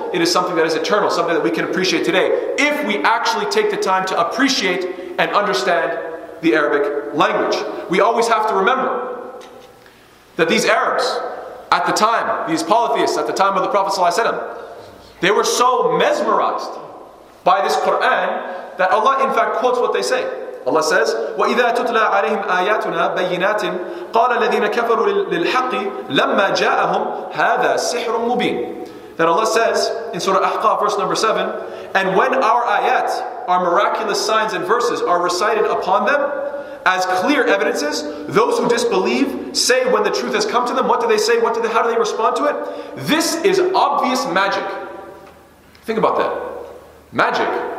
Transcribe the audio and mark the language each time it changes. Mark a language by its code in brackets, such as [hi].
[en] It is something that is eternal, something that we can appreciate today, if we actually take the time to appreciate and understand the Arabic language. We always have to remember that these Arabs, at the time, these polytheists, at the time of the Prophet sallallahu alaihi wasallam, they were so mesmerized by this Qur'an, that Allah in fact quotes what they say. Allah says, [ar] وَإِذَا تُتْلَى عَلَيْهِمْ آيَاتُنَا بَيِّنَاتٍ قَالَ الَّذِينَ كَفَرُوا لِلْحَقِّ لَمَّا جَاءَهُمْ هَذَا سِحْرٌ مُبِينٌ. [en] That Allah says in Surah Ahqaf, verse number 7, and when our ayat, our miraculous signs and verses, are recited upon them as clear evidences, those who disbelieve say when the truth has come to them, what do they say? How do they respond to it? This is obvious magic. Think about that. Magic.